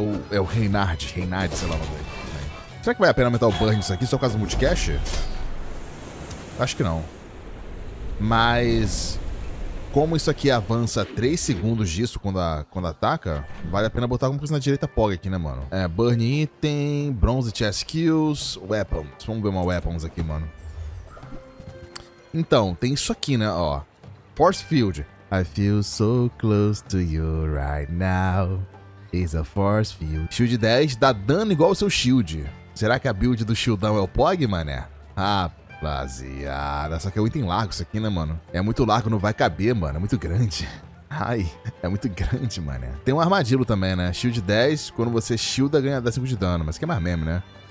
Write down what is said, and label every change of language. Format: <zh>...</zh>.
<pt>É o Reinhard, sei lá o nome dele. Será que vale a pena aumentar o burn isso aqui só por causa do multicash? Acho que não. Mas como isso aqui avança 3 segundos disso quando ataca, vale a pena botar alguma coisa na direita POG aqui, né, mano? É, Burn Item, Bronze Chest Kills, Weapons. Vamos ver uma Weapons aqui, mano. Então, tem isso aqui, né, ó. Force Field.</pt> <en>I feel so close to you right now. It's a Force Field.</en> <pt>Shield 10 dá dano igual ao seu shield. Será que a build do shieldão é o POG, mané? Ah, rapaziada, só que é um item largo isso aqui, né, mano? É muito largo, não vai caber, mano. É muito grande. Ai, é muito grande, mané. Tem um armadilho também, né? Shield 10, quando você shielda, ganha 10 segundos de dano. Mas que é mais meme, né?</pt>